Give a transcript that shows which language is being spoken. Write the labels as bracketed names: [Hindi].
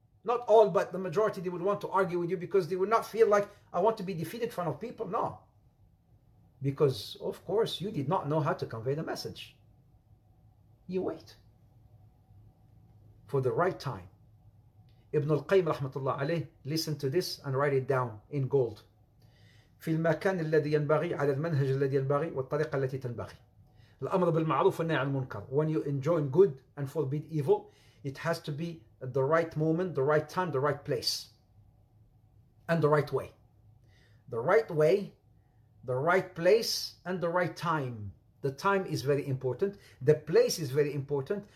[English] Not all, but the majority, they would want to argue with you because they would not feel like, I want to be defeated in front of people. No. Because, of course, you did not know how to convey the message. You wait for the right time. Ibn al-Qayyim rahmatullah alayh, listen to this and write it down in gold. [Arabic] في المكان الذي ينبغي على المنهج الذي ينبغي والطريقة التي تنبغي. الأمر بالمعروف والنهي عن المنكر. [English] When you enjoin good and forbid evil, it has to be at the right moment, the right time, the right place, and the right way. The right way, the right place, and the right time. The time is very important. The place is very important.